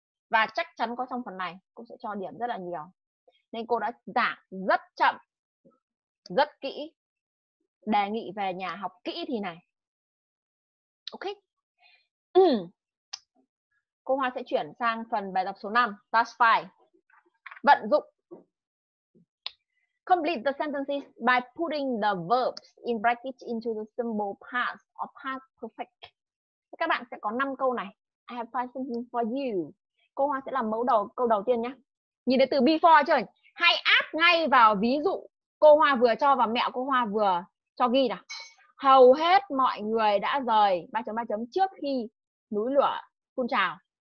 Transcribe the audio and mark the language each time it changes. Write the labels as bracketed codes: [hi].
[vi] Và chắc chắn có trong phần này, cô sẽ cho điểm rất là nhiều. Nên cô đã giảng rất chậm, rất kỹ. Đề nghị về nhà học kỹ thì này. Ok. Cô Hoa sẽ chuyển sang phần bài tập số 5, task 5. Vận dụng. [en] Complete the sentences by putting the verbs in brackets into the symbol past or past perfect. [vi] Các bạn sẽ có 5 câu này. [en] I have 5 sentences for you. [vi] Cô Hoa sẽ làm mẫu đầu câu đầu tiên nhé. Nhìn thấy từ before chưa? Hãy áp ngay vào ví dụ cô Hoa vừa cho và mẹ cô Hoa vừa cho ghi nào. Hầu hết mọi người đã rời 3.3 trước khi núi lửa phun trào.